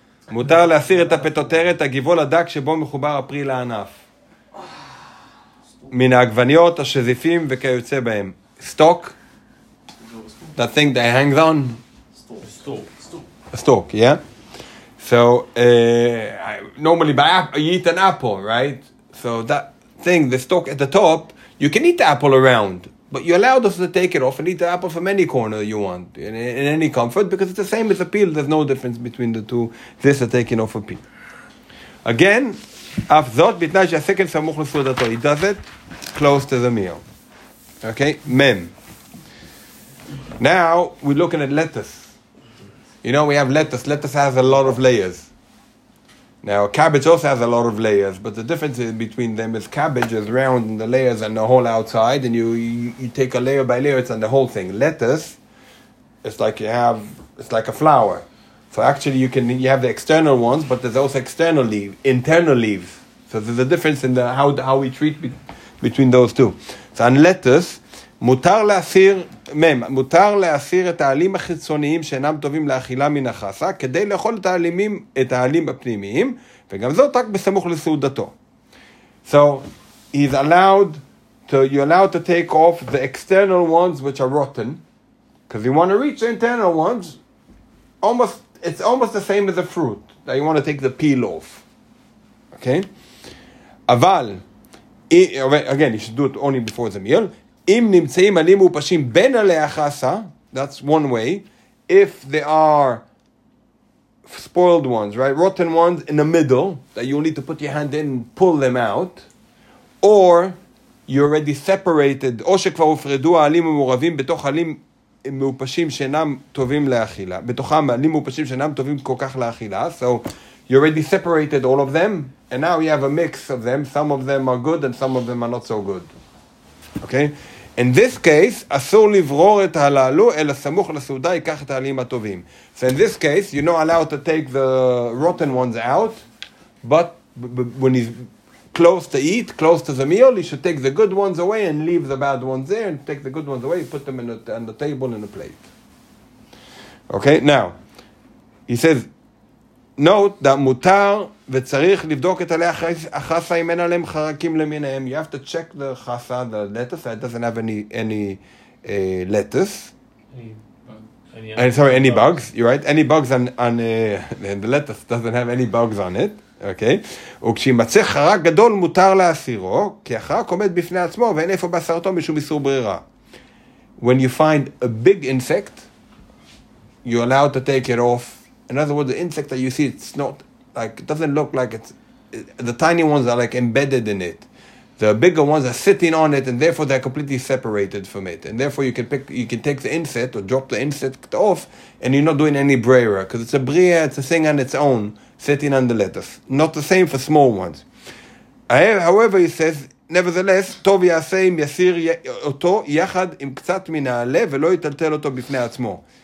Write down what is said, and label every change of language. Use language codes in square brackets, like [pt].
[he] מותר להסיר את הפטוטרת, הגיבול הדק שבו מחובר הפרי לענף. מן העגבניות, השזיפים וכיוצא בהם. [en] Stalk? That thing that hangs on? Stalk, yeah? So, normally, you eat an apple, right? So, that thing, the stalk at the top, You can eat the apple around, but you're allowed to take it off and eat the apple from any corner you want, in any comfort, because it's the same as a peel. There's no difference between the two. This is taking off a peel. Again, [he] afzot bitnash yasekel samuch l'sudato. [en] He does it close to the meal. Okay, mem. Now, we're looking at lettuce. You know, we have lettuce. Lettuce has a lot of layers. Now, cabbage also has a lot of layers, but the difference between them is cabbage is round in the layers and the whole outside, and you take a layer by layer, it's on the whole thing. Lettuce, it's like you have, it's like a flower. So actually, you have the external ones, but there's also external leaves, internal leaves. So there's a difference in the how we treat between those two. [he] So on lettuce, מותר להסיר, מם, מותר להסיר את העלים החיצוניים שאינם טובים לאכילה מן החסה, כדי לאכול את העלים, את העלים הפנימיים, וגם זאת רק בסמוך לסעודתו. [en] So, he's allowed to, you're allowed to take off the external ones which are rotten, because you want to reach the internal ones, almost, it's almost the same as the fruit, that you want to take the peel off. Okay? אבל, again, you should do it only before the meal, [he] אם נמצאים עלים מופשים בין עלי החסה, [en] that's one way, if there are spoiled ones, right, rotten ones in the middle, that you need to put your hand in and pull them out, or you're already separated, [he] או שכבר הופרדו העלים המורבים בתוך עלים מופשים שאינם טובים לאכילה, בתוכם עלים מופשים שאינם טובים כל כך לאכילה, [en] so you're already separated all of them, and now you have a mix of them, some of them are good and some of them are not so good. Okay? [he] In this case, אסור לברור את הללו, אלא סמוך לסעודה ייקח את העלים הטובים. [en] So in this case, you're not allowed to take the rotten ones out, but when he's close to eat, close to the meal, he should take the good ones away and leave the bad ones there, and take the good ones away, put them on the table and a plate. Okay? Now, he says, note that [he] מותר וצריך לבדוק את עלי החסה אם אין עליהם חרקים למיניהם. [en] You have to check the חסה, the lettuce, that doesn't have any lettuce. Any bugs. You're right. Any bugs on the lettuce doesn't have any bugs on it. Okay. [he] וכשימצא חרק גדול מותר להסירו, כי החרק עומד בפני עצמו ואין איפה בשרתו משום איסור ברירה. [en] When you find a big insect, you're allowed to take it off. In other words, the insect that you see, it's not like, it doesn't look like the tiny ones are like embedded in it. The bigger ones are sitting on it, and therefore they're completely separated from it. And therefore you can take the insect or drop the insect off, and you're not doing any brera, because it's a brera, it's a thing on its own, sitting on the lettuce. Not the same for small ones. However, he says, nevertheless, [he] טוב יעשה אם יסיר אותו יחד עם קצת מן העלה, ולא יטלטל אותו בפני עצמו.